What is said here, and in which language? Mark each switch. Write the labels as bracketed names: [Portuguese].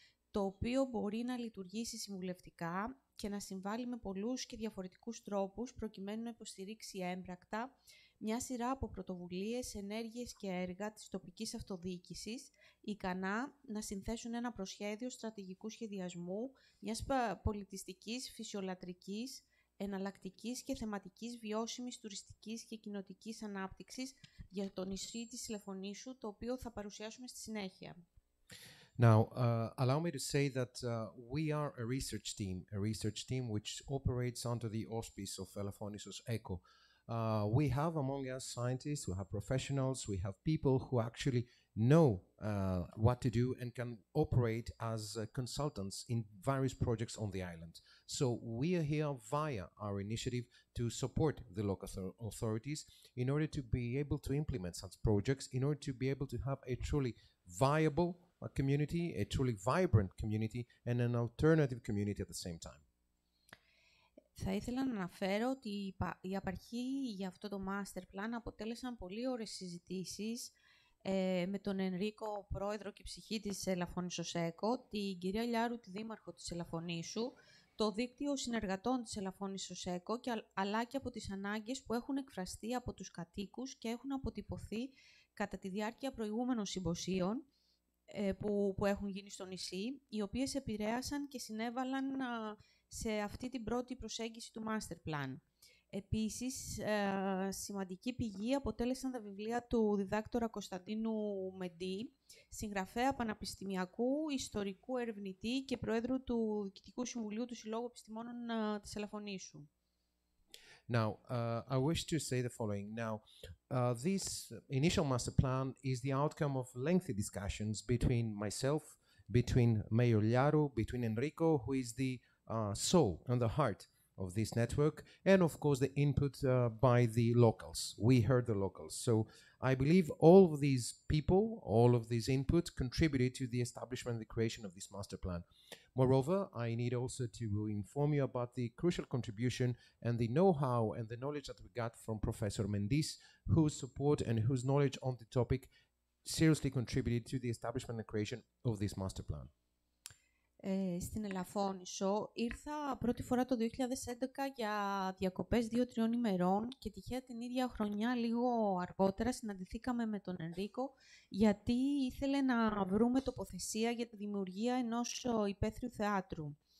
[Greek] το οποίο μπορεί να λειτουργήσει συμβουλευτικά και να συμβάλλει με πολλούς και διαφορετικούς τρόπους προκειμένου να υποστηρίξει έμπρακτα μια σειρά από πρωτοβουλίες, ενέργειες και έργα της τοπικής αυτοδιοίκησης, ικανά να συνθέσουν ένα προσχέδιο στρατηγικού σχεδιασμού μιας πολιτιστικής, φυσιολατρικής, εναλλακτικής και θεματικής βιώσιμης τουριστικής και κοινοτικής ανάπτυξης για το νησί της Ελαφωνήσου, το οποίο θα παρουσιάσουμε στη συνέχεια. [English] Now, allow me to say that we are a research team which operates under the auspices of Elafonisos Eco. We have among us scientists, we have professionals, we have people who actually know what to do and can operate as consultants in various projects on the island. So we are here via our initiative to support the local authorities in order to be able to implement such projects, in order to be able to have a truly viable community, a truly vibrant community, and an alternative community at the same time. [Greek] Θα ήθελα να αναφέρω ότι η απαρχή για αυτό το master plan αποτέλεσαν πολύ ωραίες συζητήσεις με τον Ενρίκο, πρόεδρο και ψυχή της Ελαφωνήσος Eco, την κυρία Λιάρου, τη δήμαρχο της Ελαφωνήσου, το δίκτυο συνεργατών της Ελαφωνήσος Eco, αλλά και από τις ανάγκες που έχουν εκφραστεί από τους κατοίκους και έχουν αποτυπωθεί κατά τη διάρκεια προηγούμενων συμποσίων που έχουν γίνει στο νησί, οι οποίες επηρέασαν και συνέβαλαν σε αυτή την πρώτη προσέγγιση του Master Plan. Επίσης, σημαντική πηγή αποτέλεσαν τα βιβλία του διδάκτορα Κωνσταντίνου Μεντή, συγγραφέα πανεπιστημιακού, ιστορικού ερευνητή και πρόεδρου του Διοικητικού Συμβουλίου του Συλλόγου Επιστημόνων της Ελαφωνήσου. [English] Now, I wish to say the following. Now, this initial master plan is the outcome of lengthy discussions between myself, between Mayor Liaru, between Enrico, who is the soul and the heart of this network, and of course the input by the locals. We heard the locals. So I believe all of these people, all of these inputs contributed to the establishment and the creation of this master plan. Moreover, I need also to inform you about the crucial contribution and the know-how and the knowledge that we got from Professor Mendis, whose support and whose knowledge on the topic seriously contributed to the establishment and creation of this master plan. [Greek] στην Ελαφώνησο. Ήρθα πρώτη φορά το 2011 για διακοπές 2-3 ημερών και τυχαία την ίδια χρονιά, λίγο αργότερα, συναντηθήκαμε με τον Ενρίκο, γιατί ήθελε να βρούμε τοποθεσία για τη δημιουργία ενός υπαίθριου θεάτρου.